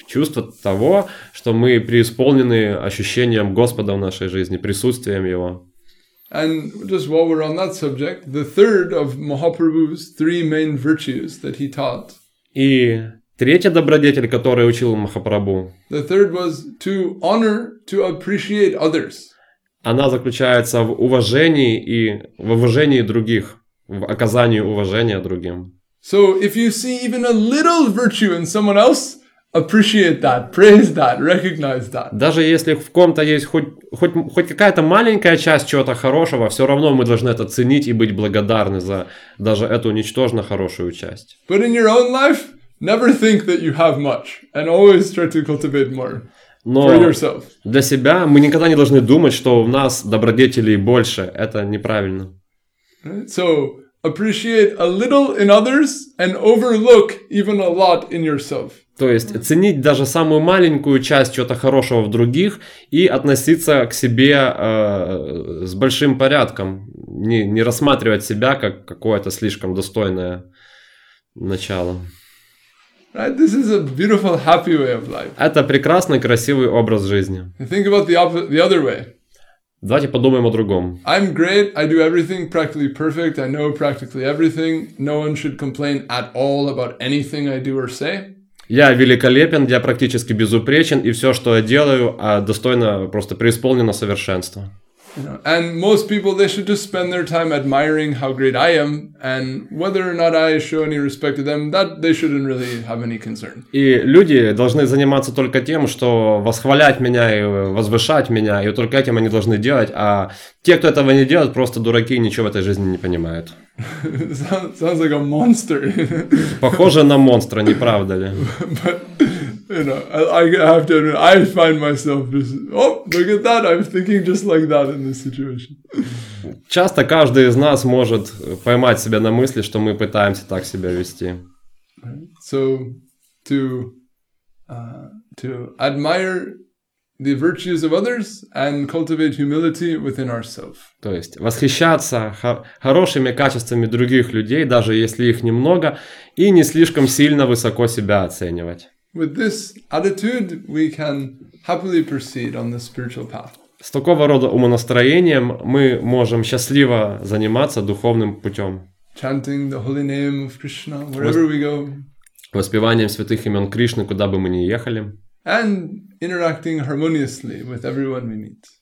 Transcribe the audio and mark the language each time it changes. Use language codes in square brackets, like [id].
[ru] чувство того, что мы преисполнены ощущением Господа в нашей жизни, присутствием Его. [en] And just while we're on that subject, the third of Mahaprabhu's three main virtues that he taught. [ru] И третья добродетель, которую учил Махапрабху. [en] The third was to honor, to appreciate others. [ru] она заключается в уважении и в уважении других, в оказании уважения другим. [en] So if you see even a little virtue in someone else, appreciate that, praise that, recognize that. [ru] Даже если в ком-то есть хоть какая-то маленькая часть чего-то хорошего, все равно мы должны это ценить и быть благодарны за даже эту ничтожно хорошую часть. [en] But in your own life, never think that you have much, and always try to cultivate more. [ru] Но для себя мы никогда не должны думать, что у нас добродетелей больше. Это неправильно. [en] So appreciate a little in others and overlook even a lot in yourself. [ru] То есть ценить даже самую маленькую часть чего-то хорошего в других и относиться к себе с большим порядком, не рассматривать себя как какое-то слишком достойное начало. [en] Right, this is a beautiful, happy way of life. [ru] Это прекрасный, красивый образ жизни. [en] Think about the other way. [ru] Давайте подумаем о другом. [en] I'm great, I do everything practically perfect, I know practically everything. No one should complain at all about anything I do or say. [ru] Я великолепен, я практически безупречен, и все, что я делаю, достойно, просто преисполнено совершенства. [en] And most people, they should just spend their time admiring how great I am, and whether or not I show any respect to them, that they shouldn't really have any concern. [ru] И люди должны заниматься только тем, что восхвалять меня и возвышать меня, и только этим они должны делать, а те, кто этого не делает, просто дураки и ничего в этой жизни не понимают. [en] Sounds like a monster. [ru] Похоже на монстра, не правда ли? [en] You know, I have to admit, I find myself just, oh, look at that, I'm thinking just like that in this situation. [ru] Часто каждый из нас может поймать себя на мысли, что мы пытаемся так себя вести. [en] So, to admire the virtues of others and cultivate humility within ourselves. [ru] То есть восхищаться хорошими качествами других людей, даже если их немного, и не слишком сильно высоко себя оценивать. [en] With this attitude, we can happily proceed on the spiritual path. [ru] С такого рода умонастроением мы можем счастливо заниматься духовным путем. [en] Chanting the holy name of Krishna wherever we go. [ru] Воспеванием святых имен Кришны, куда бы мы ни ехали. [en] And interacting harmoniously with everyone we meet.